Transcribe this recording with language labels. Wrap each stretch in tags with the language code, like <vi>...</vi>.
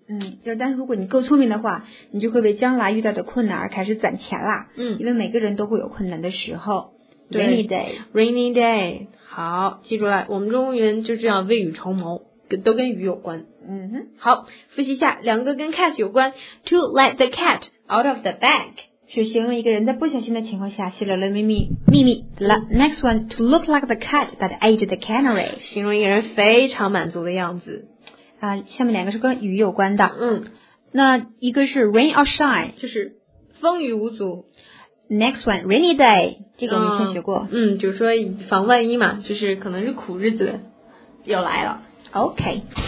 <zh>嗯，就是，但是如果你够聪明的话，你就会为将来遇到的困难而开始攒钱啦。嗯，因为每个人都会有困难的时候。</zh> <en>Rainy day. Rainy day.</en> <zh>好，记住了，我们中文人就这样未雨绸缪，都跟雨有关。嗯哼。好，复习一下，两个跟 cat 有关。</zh> <en>To let the cat out of the bag.</en> <zh>是形容一个人在不小心的情况下泄露了秘密。</zh> <en>Next one, to look like the cat that ate the canary.</en> <zh>形容一个人非常满足的样子。下面两个是跟雨有关的。嗯。那一个是</zh> <en>rain or shine.</en> <zh>就是风雨无阻。</zh> <en>Next one, rainy day.</en> <zh>这个我们以前学过。嗯，就是说以防万一嘛，就是可能是苦日子又来了。</zh> <en>OK.</en>